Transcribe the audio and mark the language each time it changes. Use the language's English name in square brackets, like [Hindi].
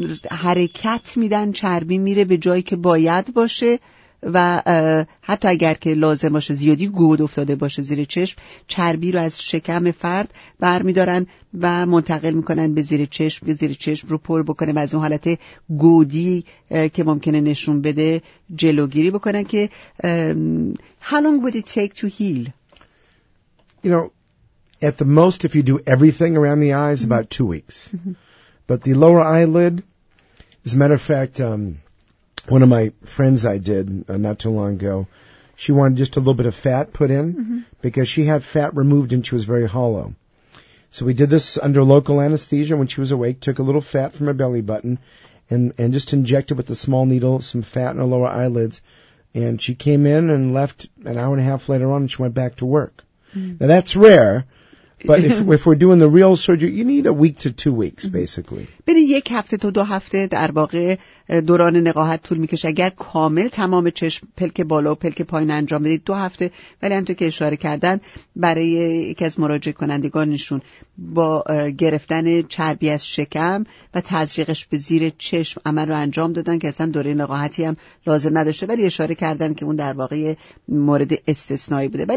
[Persian] حرکت میدن، چربی میره به جایی که باید باشه و حتی اگر که لازم باشه زیادی گود افتاده باشه زیر چشم، چربی رو از شکم فرد ور میدارن و منتقل میکنن به زیر چشم، به زیر چشم رو پر بکنه و از اون حالت گودی که ممکنه نشون بده جلوگیری بکنن. که [English] How long would it take to heal? You know, at the most, if you do everything around the eyes, about 2 weeks. But the lower eyelid, as a matter of fact, one of my friends I did not too long ago, she wanted just a little bit of fat put in because she had fat removed and she was very hollow. So we did this under local anesthesia when she was awake, took a little fat from her belly button and just injected with a small needle some fat in her lower eyelids. And she came in and left an hour and a half later on and she went back to work. Mm-hmm. Now that's rare. But if we're doing the real surgery, you need a week to 2 weeks, basically. [Persian] بین یک هفته تا دو هفته در واقع دوران نقاهت طول میکشه. اگر کامل تمام چشم، پلک بالا و پلک پایین انجام بدید، دو هفته. ولی همونطور که اشاره کردن، برای یکی از مراجع کنندگانشون با گرفتن چربی از شکم و تزریقش به زیر چشم عمل رو انجام دادن که اصلا دوره نقاهتی هم لازم نداشته، ولی اشاره کردن که اون در واقع مورد استثنایی بوده.